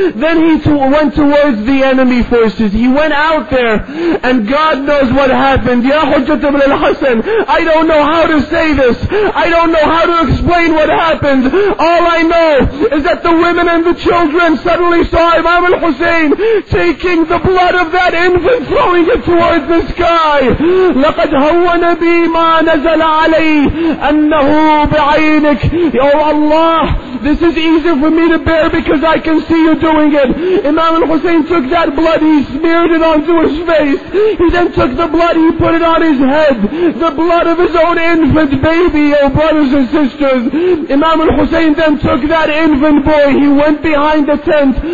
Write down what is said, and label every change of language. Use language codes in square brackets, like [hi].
[en] Then he went towards the enemy forces. He went out there, and God knows what happened. Ya Hujjat ibn al-Hasan, I don't know how to say this. I don't know how to explain what happened. All I know is that the women and the children suddenly saw him. Saddam al-Hussein, taking the blood of that infant, throwing it towards the sky. [ar] لقد هون بي ما نزل علي أنه بعينك. [en] Oh Allah, this is easy for me to bear because I can see you doing it. Imam al-Hussein took that blood, he smeared it onto his face. He then took the blood, he put it on his head. The blood of his own infant baby, oh brothers and sisters. Imam al-Hussein then took that infant boy, he went behind the tent.